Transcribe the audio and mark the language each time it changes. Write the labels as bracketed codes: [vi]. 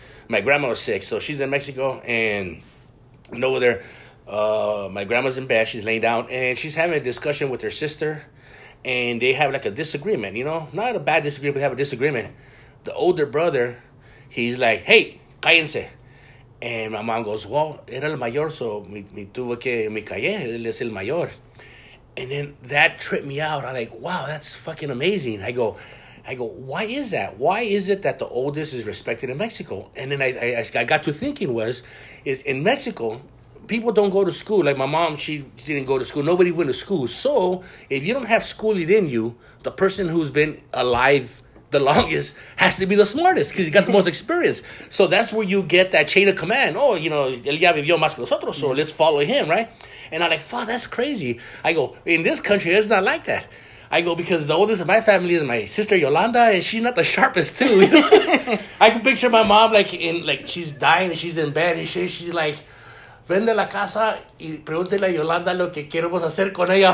[en] My grandma was sick, so she's in Mexico, and I'm over there. My grandma's in bed. She's laying down, and she's having a discussion with her sister, and they have, like, a disagreement, you know? Not a bad disagreement, but they have a disagreement. The older brother, he's like, hey, [es] cállense. [en] And my mom goes, well, [es] era el mayor, [en] so [es] me tuve que me callé, él es el mayor. [en] And then that tripped me out. I'm like, wow, that's fucking amazing. I go, why is that? Why is it that the oldest is respected in Mexico? And then I got to thinking is in Mexico, people don't go to school. Like my mom, she didn't go to school. Nobody went to school. So if you don't have schooling in you, the person who's been alive the longest has to be the smartest because he's got the most experience. So that's where you get that chain of command. Oh, you know, [es] él ya vivió más que nosotros, [en] so let's follow him, right? And I'm like, fuck, that's crazy. I go, in this country, it's not like that. I go, because the oldest of my family is my sister Yolanda, and she's not the sharpest, too. You know? I can picture my mom, like she's dying, and she's in bed, and she's like, [es] vende la casa y pregúntele a Yolanda lo que queremos hacer con ella.